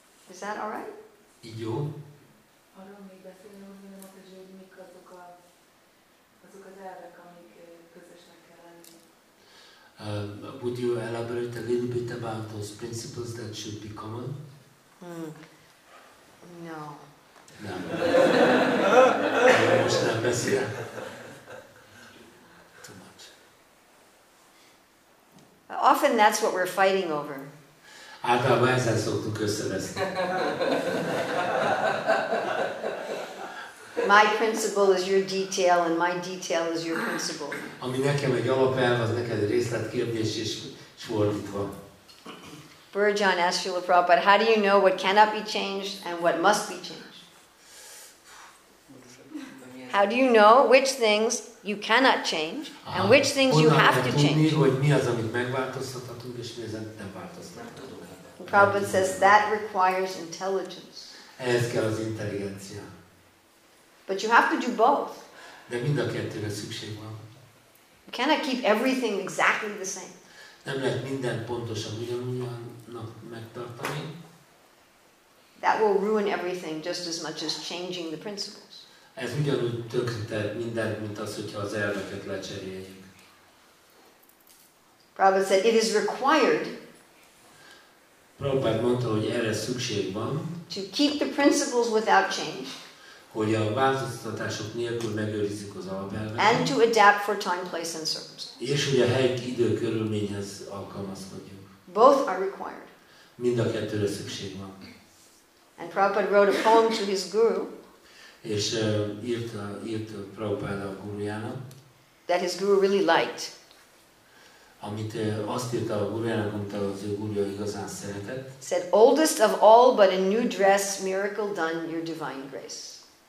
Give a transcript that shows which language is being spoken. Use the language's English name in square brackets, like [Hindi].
[English] Is that all right? [Hungarian] Így jó. Arról még beszélnem, hogy mik azok az elvek, amik közösnek kell lenni. [English] Would you elaborate a little bit about those principles that should be common? No. [Hungarian] Nem. Most nem beszél. [English] Too much. Often that's what we're fighting over. [Hungarian] Általában ezzel szoktuk összeveszni. [English] My principle is your detail, and my detail is your principle. [Hungarian] Ami nekem egy alapelv, az neked részletkérdés, és fordítva. [English] Burjan asked Srila Prabhupada, how do you know what cannot be changed and what must be changed? How do you know which things you cannot change and which things you have to change? Prabhupada says that requires intelligence. [Hungarian] Ehhez kell az intelligencia. [English] But you have to do both. [Hungarian] De mind a kettőre szükség van. [English] You cannot keep everything exactly the same. [Hungarian] Nem lehet minden pontosan ugyanúgynak megtartani. [English] That will ruin everything just as much as changing the principles. [Hungarian] Ez ugyanúgy tönkretett mindent, mint az, hogyha az elveket lecseréljük. [English] Prabhupada said, it is required. [Hungarian] Prabhupada mondta, hogy erre szükség van. [English] To keep the principles without change. [Hungarian] Hogy a változtatások nélkül megőrizzük az alapelveket. [English] And to adapt for time, place and circumstance. [Hungarian] És hogy a hely, idő, körülményhez alkalmazkodjunk. [English] Both are required. [Hungarian] Mind a kettőre szükség van. [English] And Prabhupada wrote a poem to his guru. [Hungarian] És írt Prabhupada a gurujának. [English] That his guru really liked. [Hungarian] Amit azt írta a gurujának, amit az ő gurúja igazán szeretett. [English] Said, oldest of all, but a new dress, miracle done, your divine grace.